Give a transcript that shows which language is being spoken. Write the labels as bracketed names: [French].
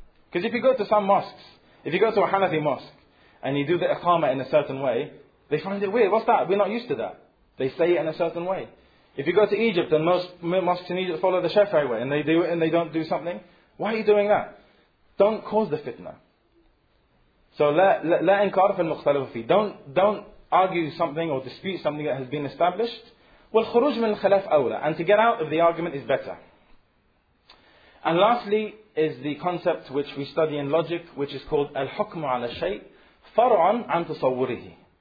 [English] Because if you go to some mosques, if you go to a Hanafi mosque, and you do the iqama in a certain way, they find it weird. What's that? We're not used to that. They say it in a certain way. If you go to Egypt, and most mosques in Egypt follow the Shafi'i way, and they do it and they don't do something, why are you doing that? Don't cause the fitna. [Arabic] So لا إنكارف المختلف فيه. [English] Don't argue something or dispute something that has been established. [Arabic] والخروج من الخلاف أولى. [English] And to get out of the argument is better. And lastly is the concept which we study in logic, which is called [Arabic] الحكم على شيء فرعا عن تصوره.